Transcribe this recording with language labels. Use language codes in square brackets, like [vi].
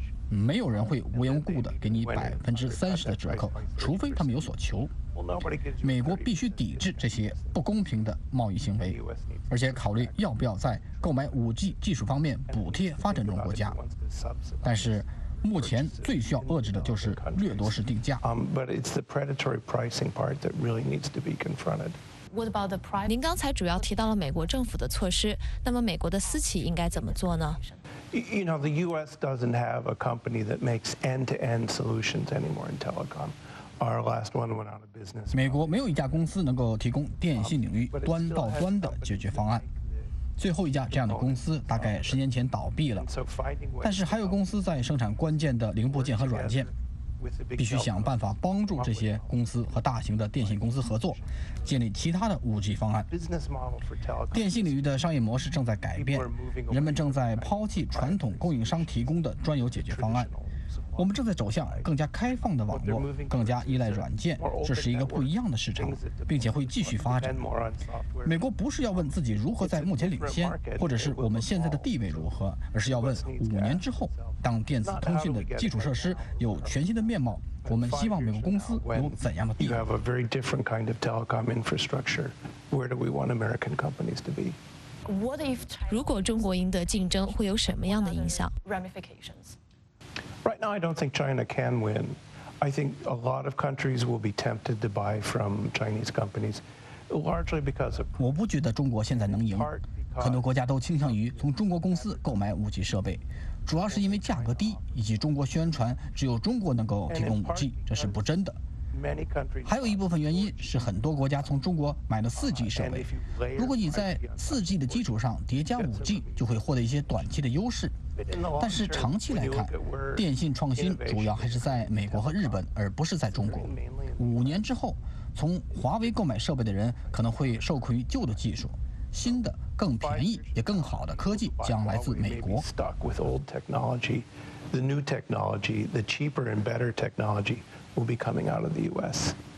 [zh] 没有人会无缘无故的给你30%的折扣，除非他们有所求。美国必须抵制这些不公平的贸易行为，而且考虑要不要在购买 5G 技术方面补贴发展中国家。但是目前最需要遏制的就是掠夺式定价。 [en] But it's the predatory pricing part that really needs to be confronted. What about the price? [zh] 您刚才主要提到了美国政府的措施，那么美国的私企应该怎么做呢 [en] ？You know, the U.S. doesn't have a company that makes end-to-end solutions anymore in telecom. Our last one went out of business. [zh] 美国没有一家公司能够提供电信领域端到端的解决方案。最后一家这样的公司大概10年前倒闭了，但是还有公司在生产关键的零部件和软件，必须想办法帮助这些公司和大型的电信公司合作，建立其他的 5G 方案。电信领域的商业模式正在改变，人们正在抛弃传统供应商提供的专有解决方案，我们正在走向更加开放的网络，更加依赖软件，这是一个不一样的市场，并且会继续发展。美国不是要问自己如何在目前领先，或者是我们现在的地位如何，而是要问5年之后，当电子通讯的基础设施有全新的面貌，我们希望美国公司有怎样的地位。 [en] You have a very different kind of telecom infrastructure. Where do we want American companies to be? What if [zh] 如果中国赢得竞争，会有什么样的影响 [en] ？Ramifications. Right now, I don't think China can win. I think a lot of countries will be tempted to buy from Chinese companies, largely because of. [zh] 我不觉得中国现在能赢，很多国家都倾向于从中国公司购买 5G 设备，主要是因为价格低，以及中国宣传只有中国能够提供 5G， 这是不真的。还有一部分原因是很多国家从中国买了 4G 设备，如果你在 4G 的基础上叠加 5G， 就会获得一些短期的优势。但是长期来看，电信创新主要还是在美国和日本，而不是在中国。 5年之后，从华为购买设备的人可能会受困于旧的技术，新的更便宜也更好的科技将来自美国。 [en] The new technology, the cheaper and better technology will be coming out of the U.S.